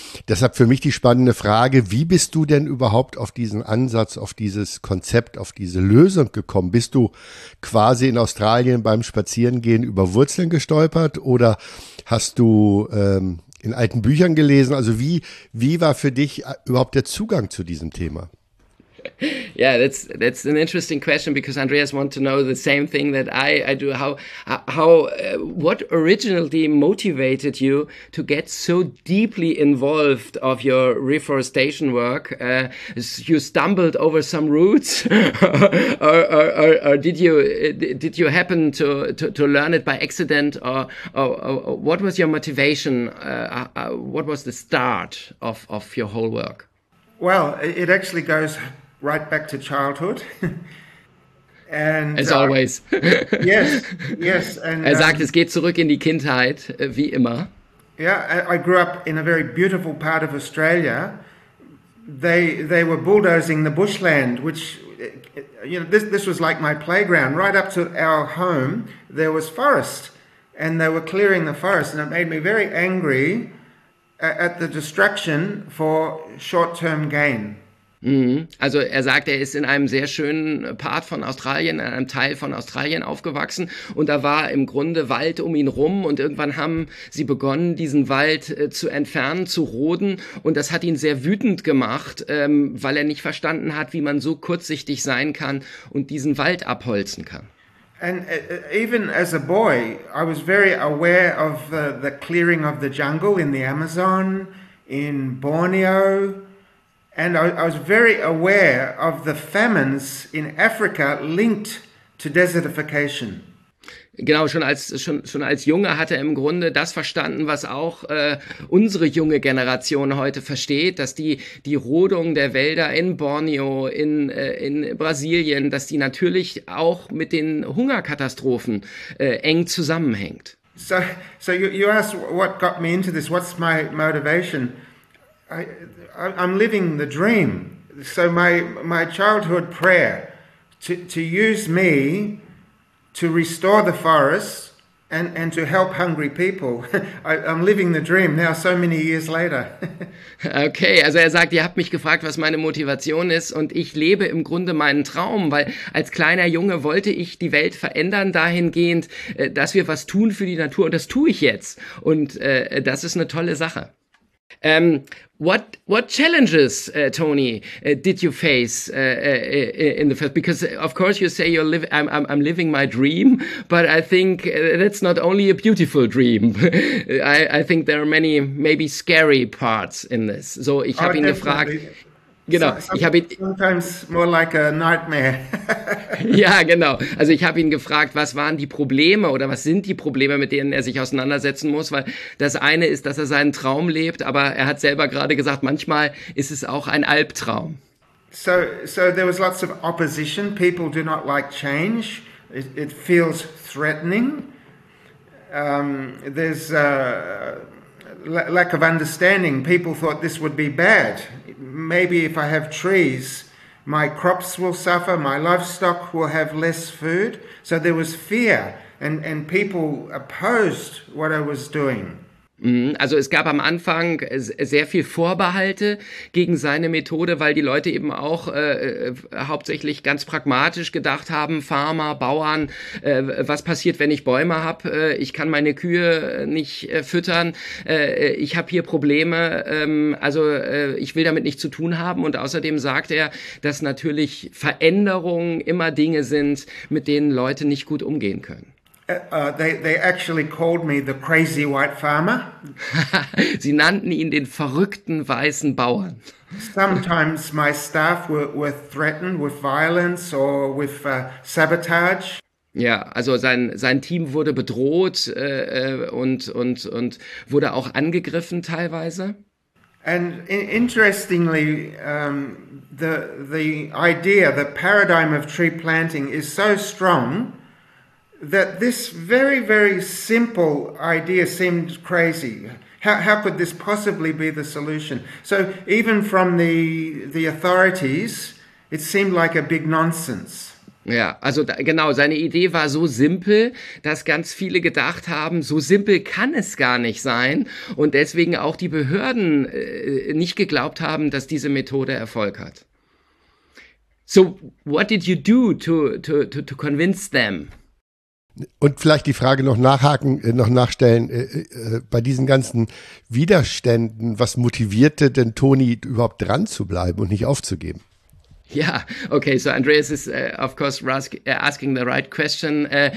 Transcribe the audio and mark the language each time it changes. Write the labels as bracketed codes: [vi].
[de] Deshalb für mich die spannende Frage, wie bist du denn überhaupt auf diesen Ansatz, auf dieses Konzept, auf diese Lösung gekommen? Bist du quasi in Australien beim Spazierengehen über Wurzeln gestolpert oder hast du in alten Büchern gelesen? Also wie war für dich überhaupt der Zugang zu diesem Thema? [en] Yeah, that's an interesting question because Andreas wants to know the same thing that I do. How what originally motivated you to get so deeply involved of your reforestation work? You stumbled over some roots, or did you happen to learn it by accident, or what was your motivation? What was the start of your whole work? Well, it actually goes right back to childhood. And as always. yes. [de] And er sagt, es geht zurück in die Kindheit, wie immer. [en] Yeah, I grew up in a very beautiful part of Australia. They were bulldozing the bushland, which, you know, this was like my playground. Right up to our home, there was forest, and they were clearing the forest, and it made me very angry at the destruction for short-term gain. [de] Also er sagt, er ist in einem sehr schönen Part von Australien, in einem Teil von Australien aufgewachsen und da war im Grunde Wald um ihn rum und irgendwann haben sie begonnen, diesen Wald zu entfernen, zu roden und das hat ihn sehr wütend gemacht, weil er nicht verstanden hat, wie man so kurzsichtig sein kann und diesen Wald abholzen kann. [en] And even as a boy, I was very aware of the clearing of the jungle in the Amazon, in Borneo. And I was very aware of the famines in Africa linked to desertification. [de] Genau, schon als Junge hat er im Grunde das verstanden, was auch unsere junge Generation heute versteht, dass die Rodung der Wälder in Borneo, in Brasilien, dass die natürlich auch mit den Hungerkatastrophen eng zusammenhängt. [en] So you asked what got me into this, what's my motivation? I'm living the dream. So my childhood prayer to use me to restore the forest and to help hungry people. I'm living the dream now so many years later. [de] Okay, also er sagt, ihr habt mich gefragt, was meine Motivation ist und ich lebe im Grunde meinen Traum, weil als kleiner Junge wollte ich die Welt verändern dahingehend, dass wir was tun für die Natur und das tue ich jetzt und das ist eine tolle Sache. [en] What challenges, Tony, did you face in the first? Because of course you say I'm living my dream, but I think that's not only a beautiful dream. I think there are many maybe scary parts in this. [de] So ich habe ihn gefragt. Genau, ich habe ihn. [en] Sometimes more like a nightmare. [de] Ja, genau. Also ich habe ihn gefragt, was waren die Probleme oder was sind die Probleme, mit denen er sich auseinandersetzen muss, weil das eine ist, dass er seinen Traum lebt, aber er hat selber gerade gesagt, manchmal ist es auch ein Albtraum. [en] So there was lots of opposition. People do not like change. It feels threatening. There's a lack of understanding. People thought this would be bad. Maybe if I have trees, my crops will suffer, my livestock will have less food. So there was fear and people opposed what I was doing. [de] Also es gab am Anfang sehr viel Vorbehalte gegen seine Methode, weil die Leute eben auch hauptsächlich ganz pragmatisch gedacht haben, Farmer, Bauern, was passiert, wenn ich Bäume habe? Ich kann meine Kühe nicht füttern, ich habe hier Probleme, ich will damit nichts zu tun haben. Und außerdem sagt er, dass natürlich Veränderungen immer Dinge sind, mit denen Leute nicht gut umgehen können. [en] They actually called me the crazy white farmer. [de] Sie nannten ihn den verrückten weißen Bauern. [en] Sometimes my staff were threatened with violence or with sabotage. [de] Ja, also sein Team wurde bedroht und wurde auch angegriffen teilweise. [en] And interestingly, the idea, the paradigm of tree planting is so strong that this very, very simple idea seemed crazy. How could this possibly be the solution? So even from the authorities, it seemed like a big nonsense. [de] Ja, also da, genau, seine Idee war so simpel, dass ganz viele gedacht haben, so simpel kann es gar nicht sein und deswegen auch die Behörden nicht geglaubt haben, dass diese Methode Erfolg hat. [en] So what did you do to convince them? [de] Und vielleicht die Frage noch nachhaken, noch nachstellen, bei diesen ganzen Widerständen, was motivierte denn Tony überhaupt dran zu bleiben und nicht aufzugeben? [en] Yeah, okay, so Andreas is of course asking the right question.